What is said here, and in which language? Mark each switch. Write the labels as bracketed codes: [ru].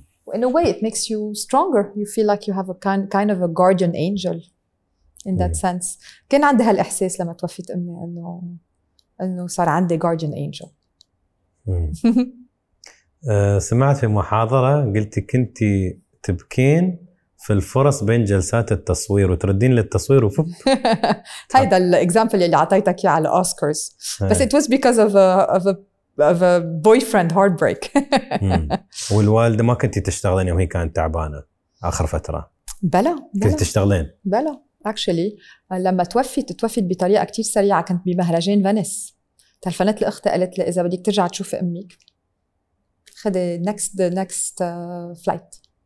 [en] In a way it makes you stronger. You feel like you have a kind of a guardian angel in that sense. [ar] كان عندي هالإحساس لما توفيت أمي أنه صار عندي guardian angel. سمعت في محاضرة قلتي كنتي تبكين في الفرص بين جلسات التصوير وتردين للتصوير وفب. هيدا الاكزامبل اللي عطيتك اياه على الاوسكارز. [en] بس it was because of a boyfriend heartbreak. [ar] والوالدة ما كنتي تشتغلين وهي كانت تعبانة اخر فترة؟ بلا كنت تشتغلين. بلا actually لما توفت بطريقة كتير سريعة، كنت بمهرجان فينيس، تلفنت لأختي قالت لي اذا بدك ترجع تشوف امك خدي [en] the next flight.